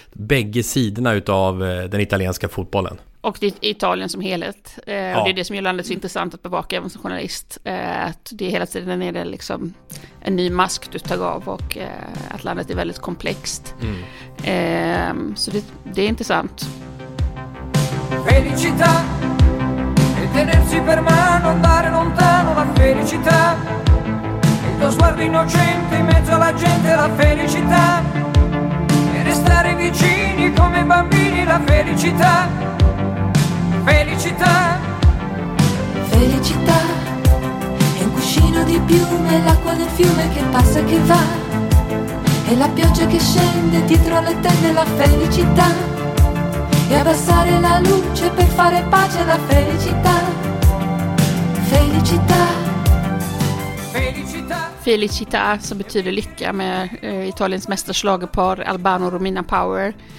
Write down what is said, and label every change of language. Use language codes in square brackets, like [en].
[sv] Bägge sidorna utav den italienska fotbollen. Och det är Italien som helhet. Och det är det som gör landet så intressant att bevaka även som journalist. Att det hela tiden är det liksom en ny mask du tar av och att landet är väldigt komplext. Mm. Så det är intressant. [it] Felicità e tenersi per mano, andare lontano, la felicità. Il tuo sguardo innocente in mezzo alla gente, la felicità. E restare vicini come bambini, la felicità. Felicità, felicità, è un cuscino di piume, l'acqua del fiume che passa e che va, è la pioggia che scende dietro alle tende, la felicità, e abbassare la luce per fare pace, la felicità, felicità, felicità. [sv] Felicità, som betyder lycka, med Italiens mästerslagerpar Albano och Romina Power.